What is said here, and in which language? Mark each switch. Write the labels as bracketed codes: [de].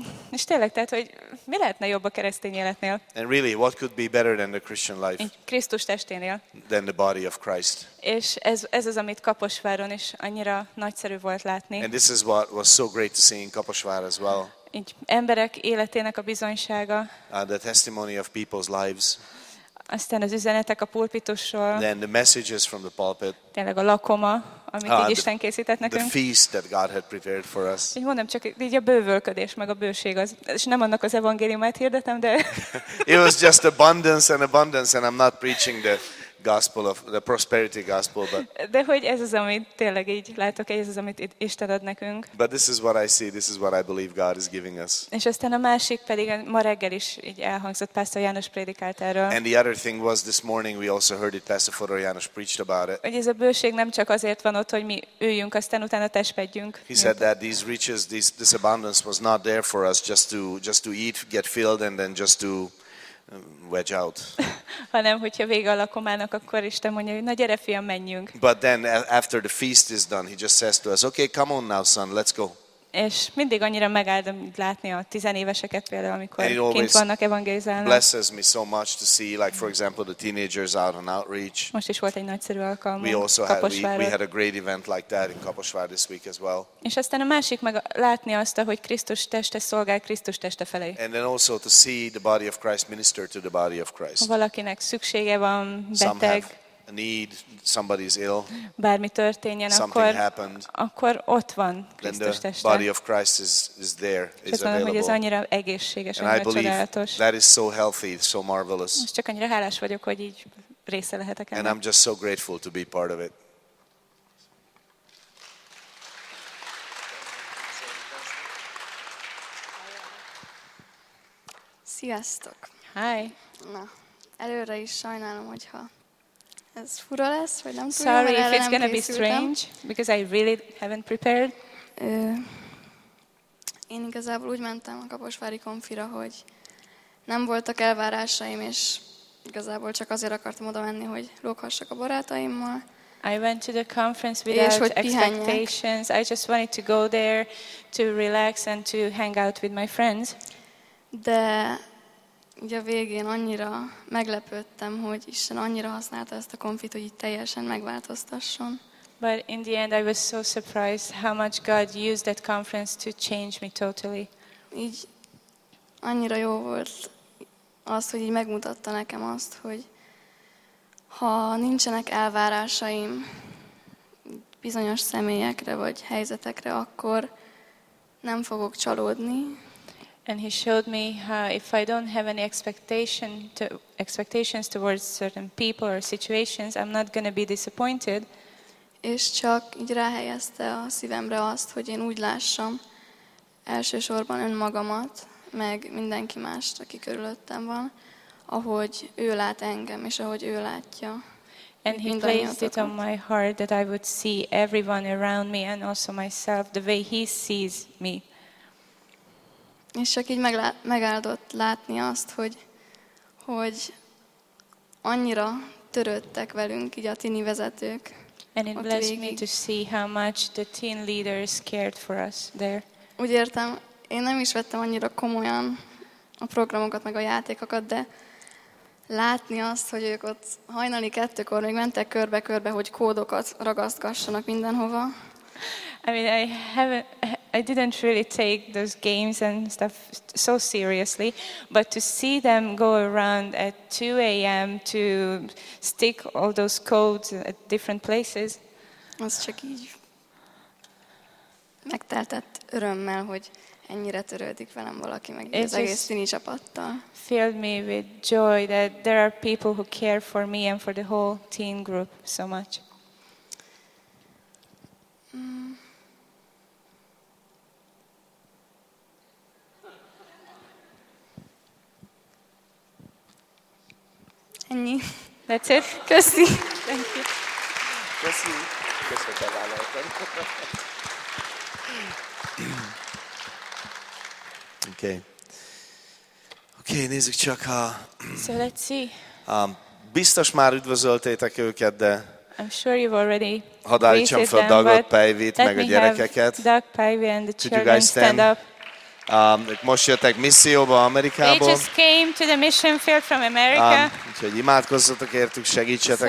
[hu] És tényleg, tehát, hogy mi lehetne jobb a keresztény életnél? [en] And really, what could be better than the Christian life? [hu] Krisztus testénél. [en] Than the body of Christ. [hu] És ez az, amit Kaposváron is annyira nagyszerű volt látni. [en] And this is what was so great to see in Kaposvár as well. [hu] Így emberek életének a bizonysága. [en] The testimony of people's lives. [hu] Aztán az üzenetek a pulpitusról. [en] Then the messages from the pulpit. [hu] Tényleg a lakoma, amit így Isten készített nekünk. [en] The feast that God had prepared for us. [hu] Így mondom, csak így a bővölködés, meg a bőség az. És nem annak az evangéliumát hirdetem, de... [en] It was just abundance, and I'm not preaching the gospel of the prosperity gospel, but [hu] de hogy ez az, amit tényleg így látok, ez az, amit Isten ad nekünk. [en] But this is what I see, this is what I believe God is giving us. [hu] És aztán a másik pedig ma reggel is így elhangzott, Pásztor János prédikált erről. [en] And the other thing was this morning we also heard it, Pastor Fodor János preached about it. [hu] Hogy ez a bőség nem csak azért van ott, hogy mi üljünk, aztán utána testpedjünk. [en] He said that these riches, this abundance was not there for us just to eat, get filled and then just to wedge out. [hu] Hanem, hogyha vége a lakomának, akkor Isten mondja, hogy na gyere fiam, menjünk. [en] But then after the feast is done, he just says to us, okay, come on now, son, let's go. [hu] És mindig annyira megáldom látni a tizenéveseket például, amikor kint vannak evangelizálni. [en] Blesses me so much to see, like for example, the teenagers out on outreach. [hu] Most is volt egy nagyszerű alkalom. [en] We also had we had a great event like that in Kaposvár this week as well. [hu] És aztán a másik meg látni azt, hogy Krisztus teste szolgál Krisztus teste felé. [en] And then also to see the body of Christ minister to the body of Christ. [hu] Valakinek szüksége van, beteg. [en] A need, somebody's ill. [hu] Bármi történjen, akkor ott van Krisztus [en] teste. The body of Christ is there, is available. [hu] Hogy ez annyira egészséges, annyira csodálatos. [en] That is so healthy, so marvelous. [hu] Most csak annyira hálás vagyok, hogy így része lehetek ennek. [en] And I'm just so grateful to be part of it. [hu] Sziasztok! [en] Hi! [hu] Na, előre is sajnálom, hogyha ez fura lesz, vagy nem tudom, [en] sorry if it's going to be strange because I really haven't prepared. [hu] Én igazából úgy mentem a kaposvári konfira, hogy nem voltak elvárásaim, és igazából csak azért akartam oda menni, hogy lóghassak a barátaimmal. [en] I went to the conference without expectations. I just wanted to go there to relax and to hang out with my friends. [hu] De ugye a végén annyira meglepődtem, hogy Isten annyira használta ezt a konfit, hogy így teljesen megváltoztasson. [en] But in the end I was so surprised how much God used that conference to change me totally. [hu] Így annyira jó volt az, hogy így megmutatta nekem azt, hogy ha nincsenek elvárásaim bizonyos személyekre vagy helyzetekre, akkor nem fogok csalódni. [en] And he showed me how if I don't have any expectations towards certain people or situations, I'm not going to be disappointed. [hu] És csak így ráhelyezte a szívemre azt, hogy én úgy lássam elsősorban önmagamat, meg mindenki mást, aki körülöttem van, ahogy ő lát engem, és ahogy ő látja. [en] And he placed it on my heart that I would see everyone around me and also myself the way he sees me. [hu] És csak így megáldott látni azt, hogy annyira törődtek velünk így a tini vezetők. [en] And it blessed me to see how much the teen leaders cared for us there. [hu] Úgy értem, én nem is vettem annyira komolyan a programokat meg a játékokat, de látni azt, hogy ők ott hajnali kettőkor még mentek körbe-körbe, hogy kódokat ragasztgassanak mindenhova. [en] I mean, I didn't really take those games and stuff so seriously, but to see them go around at 2 a.m. to stick all those codes at different places. [hu] Az csak így megteltett örömmel, hogy ennyire törődik velem valaki, meg az egész színi csapattal. [en] Filled me with joy that there are people who care for me and for the whole teen group so much. [hu] Ennyi. [en] That's it. [hu] Köszi. [en] Thank you. [hu] Köszi. Köszi, hogy bevállaltam. Okay, nézzük csak, ha... [en] So let's see. [hu] Biztos már üdvözöltétek őket, de... [en] I'm sure you've already [hu] hadd állítsam fel Dagot, Pejvit, meg a gyerekeket. [en] Doug, Pejvi and the children could you guys stand up? [hu] Most jöttek misszióba Amerikából. [en] They just came to the mission field from America. [hu] Úgyhogy imádkozzatok értük, segítsetek